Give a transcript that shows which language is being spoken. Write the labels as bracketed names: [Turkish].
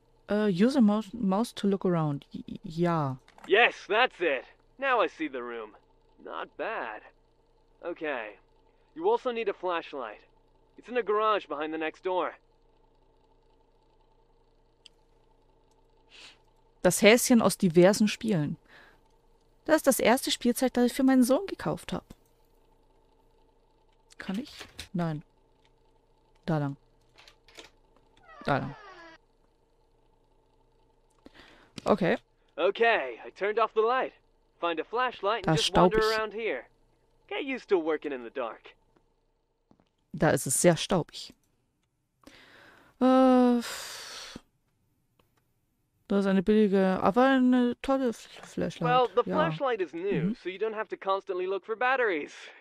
[English] Use a mouse to look around. [German] Ja. [English] Yes, that's it. Now I see the room. Not bad. Okay. You also need a flashlight. It's in a garage behind the next door. [German] Das Häschen aus diversen Spielen. Das ist das erste Spielzeug, das ich für meinen Sohn gekauft habe. Kann ich? Nein. Da lang. Da lang. Okay. [English] Okay, I turned off the light. Find a flashlight and just wander around here. Get used to working in the dark. [German] Da ist es sehr staubig. Das ist eine billige, aber eine tolle Flashlight. [English] Well, the flashlight is new, so you don't have to constantly look for batteries.